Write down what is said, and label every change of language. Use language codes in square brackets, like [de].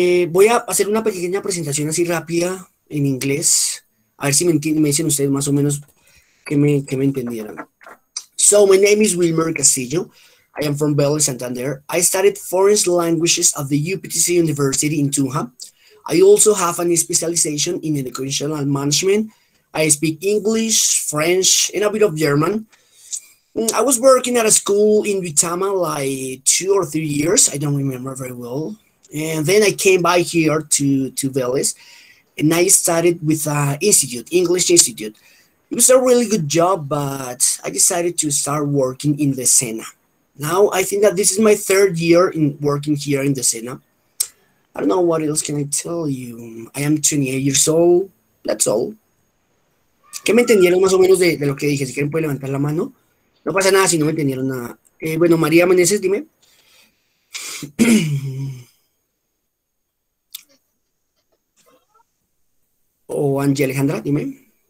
[es] Voy a hacer una pequeña presentación así rápida en inglés, a ver si me dicen ustedes más o menos qué me entendieron. [en] So, my name is Wilmer Castillo. I am from Belo, Santander. I studied foreign languages at the UPTC University in Tunja. I also have a specialization in educational management. I speak English, French, and a bit of German. I was working at a school in Duitama like 2 or 3 years. I don't remember very well. And then I came by here to Belo, and I studied with an institute, English Institute. It was a really good job, but I decided to start working in the Sena. Now I think that this is my third year in working here in the Sena. I don't know what else can I tell you. I am 28 years old. That's all. [es] ¿Qué me entendieron más o menos de lo que dije? Si quieren pueden levantar la mano. No pasa nada si no me entendieron nada. Bueno, María Meneses, dime. O Angie Alejandra, dime.